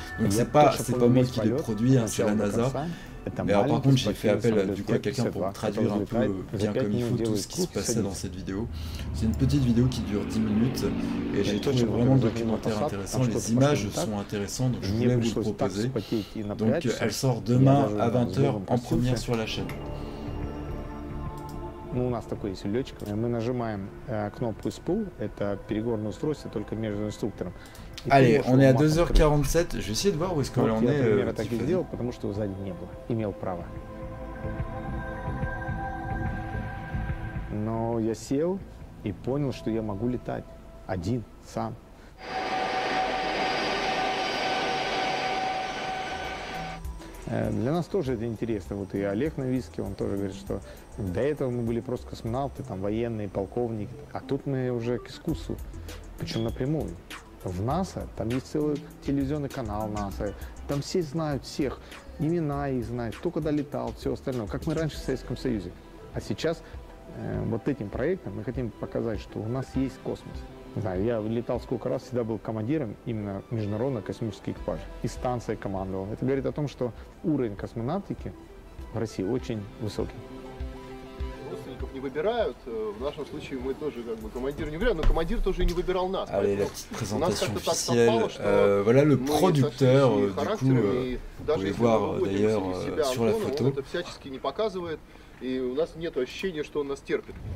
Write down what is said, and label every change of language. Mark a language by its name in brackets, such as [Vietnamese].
[French] Donc, c'est pas moi qui l'ai produit, hein, c'est la NASA. Mais alors, par contre, j'ai fait appel à quelqu'un pour traduire un peu bien comme il faut tout ce qui se passait dans cette vidéo. C'est une petite vidéo qui dure 10 minutes et j'ai trouvé vraiment le documentaire intéressant. Les images sont intéressantes, donc je voulais vous le proposer. Donc, elle sort demain à 20h en première sur la chaîne. [Russian] Ну, у нас такой есть летчик. Мы нажимаем кнопку SPU, это перегонное устройство только между инструктором. [French] Allez, on est à 2h47, je vais essayer de voir où est-ce qu'on en est. [Russian] Я, например, так и сделал, потому что сзади не было, имел право. Но я сел и понял, что я могу летать один, сам. Для нас тоже это интересно. Вот и Олег Новицкий, он тоже говорит, что до этого мы были просто космонавты, там, военные, полковники. А тут мы уже к искусству, причем напрямую. В НАСА, там есть целый телевизионный канал НАСА, там все знают всех, имена их знают, кто когда летал, все остальное, как мы раньше в Советском Союзе. А сейчас вот этим проектом мы хотим показать, что у нас есть космос. Да, я летал сколько раз, всегда был командиром именно международного космического экипажа. И станция командовал. Это говорит о том, что уровень космонавтики в России очень высокий. Родственников не выбирают. В нашем случае мы тоже как бы командир не выбирали, но командир тоже не выбирал нас. [French] Allez, la petite présentation officielle. Voilà le producteur, du coup, vous pouvez voir d'ailleurs sur la photo. [Russian] Он это всячески не показывает, и у нас нет ощущения, что он нас терпит.